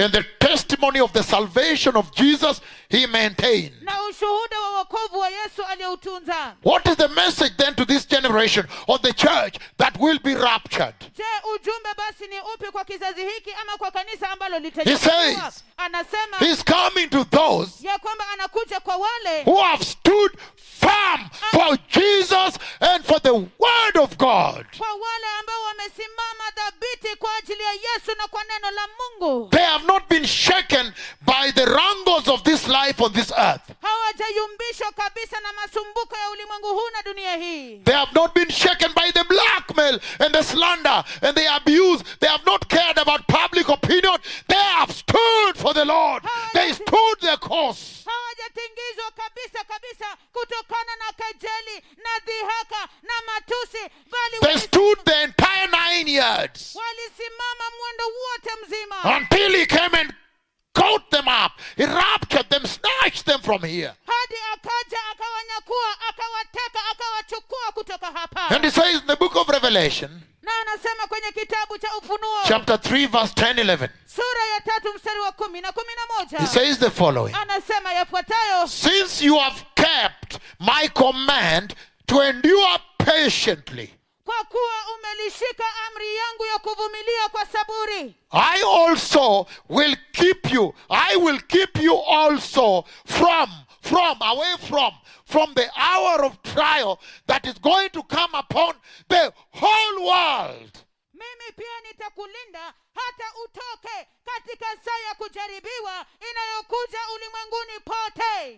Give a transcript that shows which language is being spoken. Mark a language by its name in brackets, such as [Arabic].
[English] And the testimony of the salvation of Jesus he maintained. [Swahili] Na ushuhuda wa wokovu wa Yesu aliyoutunza. [English] What is the message then to this generation or the church that will be raptured? [Swahili] Je, ujumbe basi ni upi kwa kizazi hiki ama kwa kanisa ambalo litachukua? [English] He says, [Swahili] anasema, [English] he's coming to those [Swahili] ya kwamba anakuja kwa wale [English] who have stood firm for Jesus and for the word of God. [Swahili] Kwa wale ambao wamesimama dhabiti kwa ajili ya Yesu na kwa neno la Mungu. [English] They have not been shaken by the wrangles of this life on this earth. [Swahili] Hawajayumbishwa kabisa na masumbuko ya ulimwengu huu na dunia hii. [English] They have not been shaken by the blackmail and the slander and the abuse. They have not cared about public opinion. They have stood for the Lord. They stood their course. [Swahili] Hawajatingizwa kabisa kabisa kutokana na kejeli na dhihaka na matusi bali [English] they stood the entire 9 yards [Swahili] walisimama mwendo wote mzima [English] until he came and caught them up, he raptured them, snatched them from here. [Swahili] Hadi akaja akawanyakua akawateka akawachukua kutoka hapa. [English] And he says in the book of Revelation [Swahili] na anasema kwenye kitabu cha Ufunuo [English] chapter 3 verse 10-11 [Swahili] sura ya 3 mstari wa 10 na 11 [English] he says the following, [Swahili] anasema yafuatayo, [English] since you have kept my command to endure patiently, [Swahili] kwa kuwa umelishika amri yangu ya kuvumilia kwa saburi, [English] I also will keep you, I will keep you also from the hour of trial that is going to come upon the whole world. [Swahili] Mimi pia nitakulinda hata utoke katika saa ya kujaribiwa inayokuja ulimwenguni pote.